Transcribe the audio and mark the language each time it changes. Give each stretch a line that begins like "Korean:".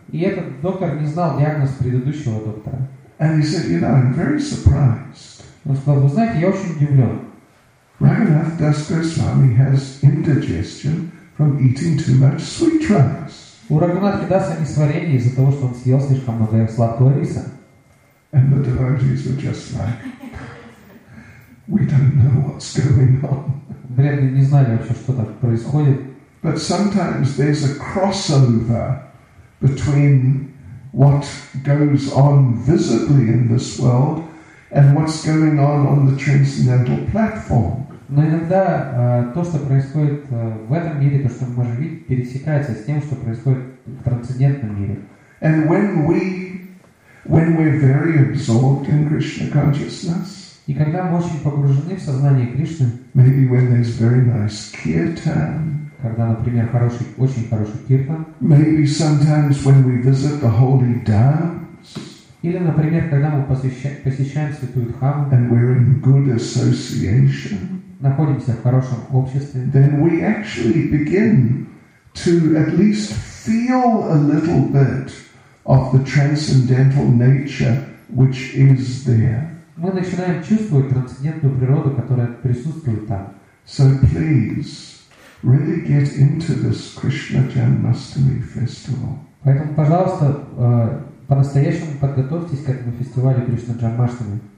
Russian: И этот доктор не знал диагноз предыдущего доктора.
English: And he said, I'm very surprised.
Russian: Он сказал, вы знаете, я очень удивлен.
English: Raghunath Das Goswami has indigestion from eating too much sweet rice.
Russian: У Рагунатхи Даса несварение из-за того, что он съел слишком много сладкого риса.
English: And the devotees were just like, we don't know what's going on.
Russian: Бредные не знали вообще, что так происходит.
English: But sometimes there's a crossover between what goes on visibly in this world and what's going on the transcendental platform.
Russian: Но иногда то, что происходит в этом мире, то, что мы можем видеть, пересекается с тем, что происходит в трансцендентном мире.
English: And when we're very absorbed in Krishna consciousness,
Russian: и когда мы очень погружены в сознание Кришны,
English: maybe when there's very nice kirtan,
Russian: когда, например, хороший, очень хороший киртан.
English: Maybe sometimes when we visit the holy dance.
Russian: Или, например, когда мы посещаем святую дхаму.
English: And we're in good association.
Russian: Находимся в хорошем обществе.
English: Then we actually begin to at least feel a little bit of the transcendental nature which is there.
Russian: Мы начинаем чувствовать трансцендентную природу, которая присутствует там.
English: So please. Really get into this Krishna Janmashtami festival.
Russian: Поэтому, пожалуйста, по-настоящему подготовьтесь к этому фестивалю Кришна Джанмаштами.